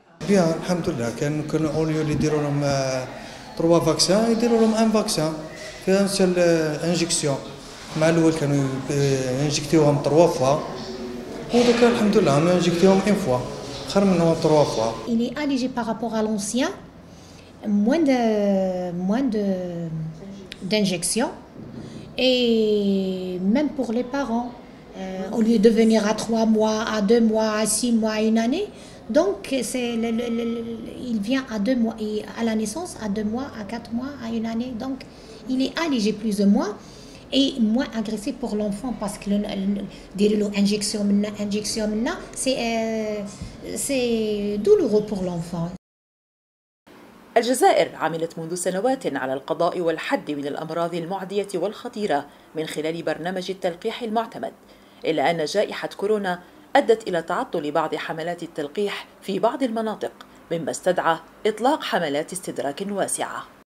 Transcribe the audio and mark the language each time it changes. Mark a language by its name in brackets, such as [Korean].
[Arabic] الحمد لله كان أوليو اللي يديروا لهم 3 فاكسان يديروا لهم 1 فاكسان في [French] أنسل إنجكسيون [Arabic] مع الأول كانوا ينجكتيوهم 3 فوا ودوكا الحمد لله هم ينجكتيوهم 1 فوا خير منهم 3 فوا. [French] Il est allégé par rapport à l'ancien, moins d'injections et même pour les parents, au lieu de venir à 3 mois, à 2 mois, à 6 mois, à une année, donc c'est il vient à 2 mois et à la naissance, à 2 mois, à 4 mois, à une année, donc il est allégé plus ou moins. Et moins agressé pour l'enfant parce que l'injection, c'est douloureux pour l'enfant. [Arabic] الجزائر عملت منذ سنوات على القضاء والحد من الأمراض المعدية والخطيرة من خلال برنامج التلقيح المعتمد، إلا أن جائحة كورونا أدت إلى تعطل بعض حملات التلقيح في بعض المناطق، مما استدعى إطلاق حملات استدراك واسعة.